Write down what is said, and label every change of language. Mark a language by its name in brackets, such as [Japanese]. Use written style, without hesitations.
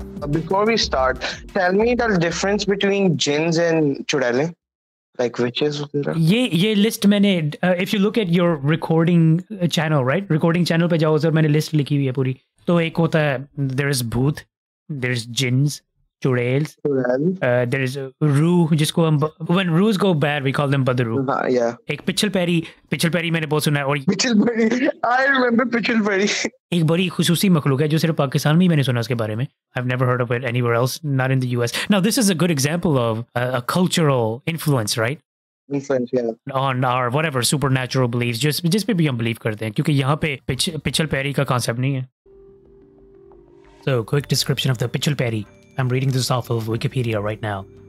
[English] Before we start, tell me the difference between jinns and churale. Like witches. [Hindi] ये [English] list [Hindi] मैंने [English] if you look at your recording channel, right? [Hindi] Recording channel पे जाओ sir, मैंने list लिखी हुई है पूरी. तो एक होता है [English] there is bhoot, there is jinns, churails, there is rooh, [Hindi] जिसको हम [English] when roohs go bad we call them badru. हाँ yeah. [Hindi] एक pichal peri मैंने बहुत सुना है और [English] pichal peri. I remember pichal peri. [Hindi] एक बड़ी खुसूसी मखलूक है जो सिर्फ पाकिस्तान में ही मैंने सुना उसके बारे में. [English] I've never heard of it anywhere else, not in the US. Now, this is a good example of a cultural influence, right? Influence, yeah. On our whatever supernatural beliefs, just maybe [Hindi] हम believe करते हैं क्योंकि यहाँ पे pichal peri का concept नहीं है. [English] So, quick description of the pichal peri. I'm reading this off of Wikipedia right now.